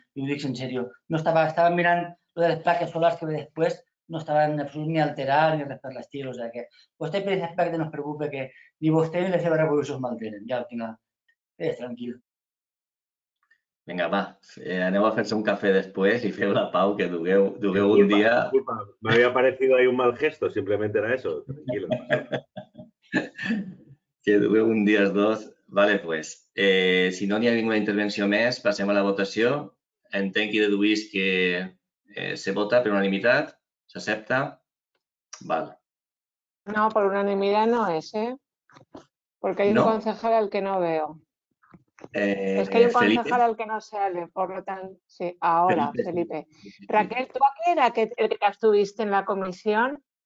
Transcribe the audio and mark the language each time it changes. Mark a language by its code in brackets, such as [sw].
[ca] I ho dic en sèrio. No estava mirant lo de les plaques solars que ve després. No estava en absolut ni alterar ni res per l'estil. O sigui que vostè, per aspecte, no es preocupe que ni vostè ni les seves revolucions mantenen. Ja, al final, tranquil. Vinga, va, anem a fer-se un cafè després i feu la pau, que dugueu un dia... [es] Disculpa, me había parecido ahí un mal gesto, simplemente era eso, tranquilo. [ca] Que dugueu un dia els dos. Vale, pues, si no n'hi ha ninguna intervenció més, passem a la votació. Entenc i deduís que se vota per unanimitat, s'accepta, vale. No, per unanimitat no és, perquè hi ha un concejal [es] al que no veo. Es que hay un concejal al que no sale, por lo tanto, sí, ahora, Felipe. Raquel, ¿tú a qué era el que estuviste en la comisión?